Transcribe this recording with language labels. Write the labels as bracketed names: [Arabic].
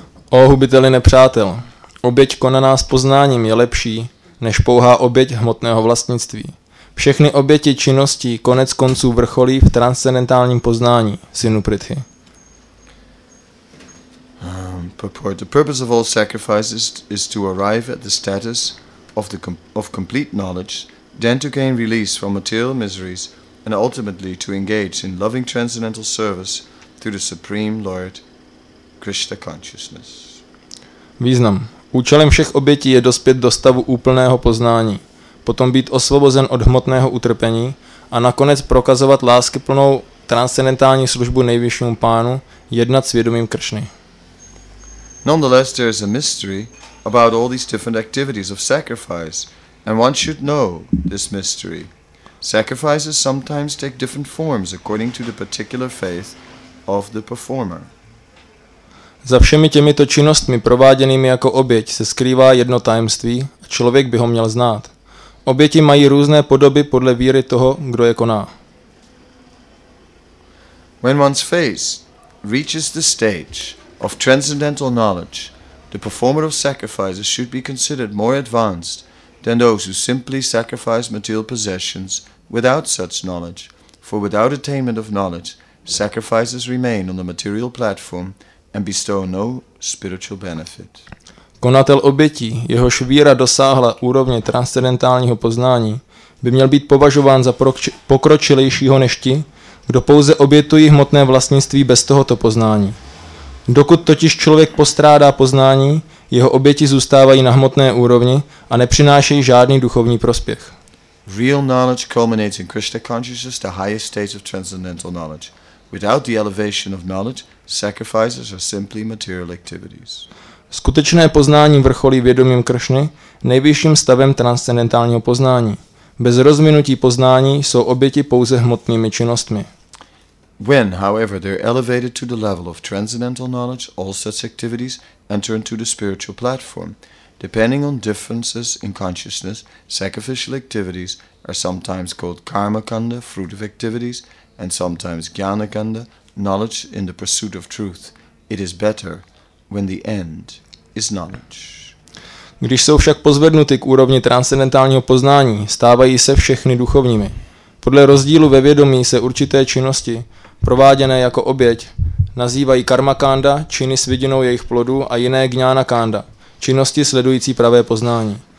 [Czech] O hubiteli nepřátel, oběť konaná s poznáním je lepší než pouhá oběť hmotného vlastnictví. Všechny oběti činností konec konců vrcholí v transcendentálním poznání, synu Prithy. [English] The purpose of all sacrifices is to arrive at the status of the of complete knowledge, then to gain release from material miseries, and ultimately to engage in loving transcendental service through the Supreme Lord Krishna Consciousness. [Czech] Význam. Účelem všech obětí je dospět do stavu úplného poznání, potom být osvobozen od hmotného utrpení a nakonec prokazovat láskyplnou transcendentální službu nejvyššímu pánu, jednat s vědomím Kršny. [English] Nonetheless, there is a mystery about all these different activities of sacrifice, and one should know this mystery. Sacrifices sometimes take different forms according to the particular faith of the performer. [Czech] Za všemi těmito činnostmi prováděnými jako oběť se skrývá jedno tajemství a člověk by ho měl znát. Oběti mají různé podoby podle víry toho, kdo je koná. [English] When one's faith reaches the stage of transcendental knowledge, the performer of sacrifices should be considered more advanced than those who simply sacrifice material possessions without such knowledge, for without attainment of knowledge, sacrifices remain on the material platform and bestow no spiritual benefit. [Czech] Konatel obětí, jehož víra dosáhla úrovně transcendentálního poznání, by měl být považován za pokročilejšího než ti, kdo pouze obětují hmotné vlastnictví bez tohoto poznání. Dokud totiž člověk postrádá poznání, jeho oběti zůstávají na hmotné úrovni a nepřinášejí žádný duchovní prospěch. [English] Real knowledge culminates in Krishna consciousness, the highest stage of transcendental knowledge. Without the elevation of knowledge, sacrifices are simply material activities. [Czech] Skutečné poznání vrcholí vědomím Kršny, nejvyšším stavem transcendentálního poznání. Bez rozvinutí poznání jsou oběti pouze hmotnými činnostmi. [English] When, however, they're elevated to the level of transcendental knowledge, all such activities enter into the spiritual platform. Depending on differences in consciousness, sacrificial activities are sometimes called karmakanda, fruitive activities, and sometimes jnanakanda, knowledge in the pursuit of truth. It is better when the end is knowledge. [Czech] Když jsou však pozvednuty k úrovni transcendentálního poznání, stávají se všechny duchovními. Podle rozdílu ve vědomí se určité činnosti, prováděné jako oběť, nazývají karmakanda, činy s vidinou jejich plodu, a jiné jnanakanda, činnosti sledující pravé poznání.